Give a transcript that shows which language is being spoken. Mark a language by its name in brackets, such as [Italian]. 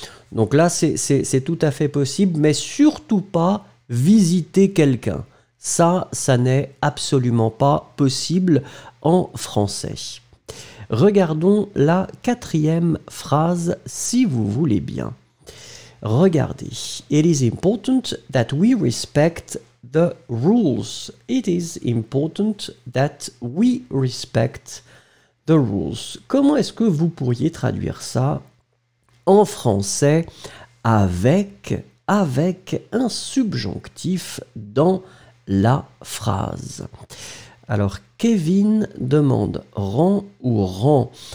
[French] Donc là, c'est tout à fait possible, mais surtout pas visiter quelqu'un. Ça n'est absolument pas possible en français. Regardons la quatrième phrase, si vous voulez bien. Regardez. [English] It is important that we respect the rules. It is important that we respect the rules. [French] Comment est-ce que vous pourriez traduire ça en français avec un subjonctif dans la phrase? Alors, Kevin demande rend ou rend.